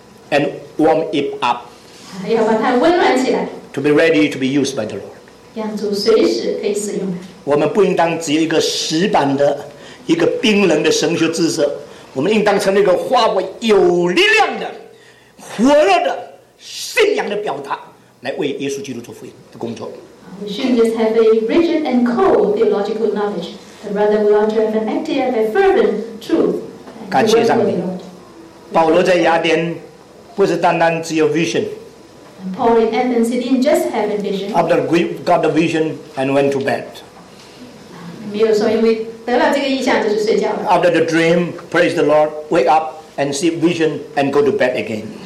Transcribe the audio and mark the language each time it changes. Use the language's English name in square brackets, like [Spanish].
[English] And warm it up. To be ready to be used by the Lord. [Chinese] 让主随时可以使用。我们不应当只有一个死板的、一个冰冷的神学知识，我们应当成那个化为有力量的、火热的信仰的表达。来为耶稣基督做福音的工作。 We shouldn't just have a rigid and cold theological knowledge, but rather we ought to have an active and fervent truth. 感谢上帝。保罗在雅典不是单单只有 vision. [English] Paul in Athens didn't just have a vision. After he got the vision and went to bed. [Chinese] 没有说因为得了这个意象就是睡觉了。 [English] After the dream, praise the Lord, wake up and see vision and go to bed again.